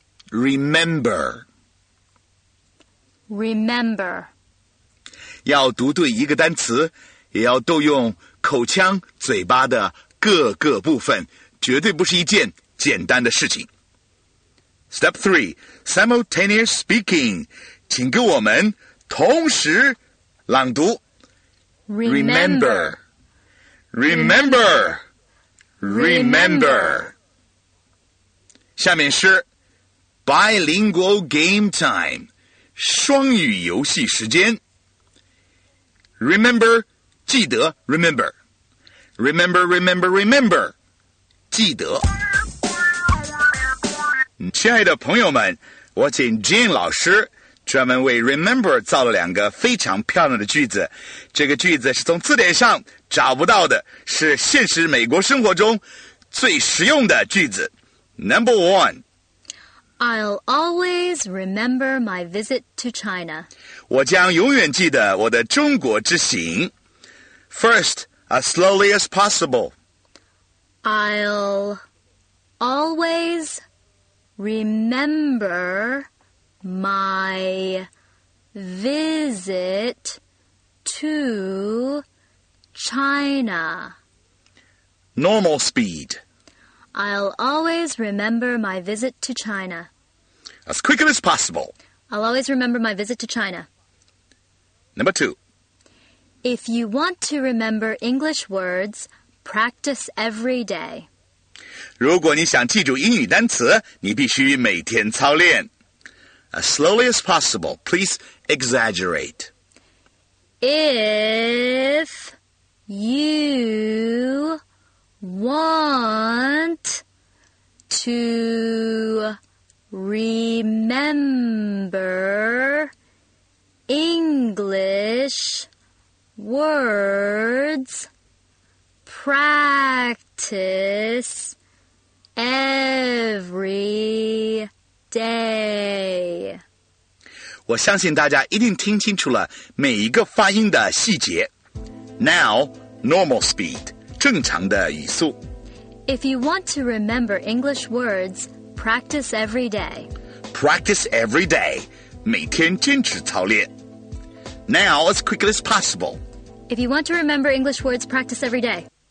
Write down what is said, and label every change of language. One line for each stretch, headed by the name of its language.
English: Remember. Remember.
Chinese: 要读对一个单词也要动用口腔嘴巴的各个部分绝对不是一件简单的事情。
English: Step 3, simultaneous speaking.
Chinese: 请跟我们同时朗读。
English: Remember. Remember. Remember. Remember.
Chinese: 下面是
English: Bilingual Game Time
Chinese: 双语游戏时间。
English: Remember,
Chinese: 记得
English: remember. Remember, remember, remember,
Chinese: 记得。亲爱的朋友们，我请 Jean 老师专门为 remember 造了两个非常漂亮的句子。这个句子是从字典上找不到的，是现实美国生活中最实用的句子。
English: Number one, I'll always remember my visit to China.
Chinese: 我将永远记得我的中国之行。
English: First, as slowly as possible. I'll always remember my visit to China. Normal speed. I'll always remember my visit to China. As quick as possible. I'll always remember my visit to China. Number two. If you want to remember English words, practice every day.
Chinese: 如果你想记住英语单词，你必须每天操练。
English: As slowly as possible, please exaggerate. If you want... To remember English words, practice every day.
Chinese: 我相信大家一定听清楚了每一个发音的细节。
English: Now, normal speed,
Chinese: 正常的语速。
English: If you want to remember English words, practice every day. Practice every day.
Chinese: 每天坚持操练。
English: Now, as quick as possible. If you want to remember English words, practice every day.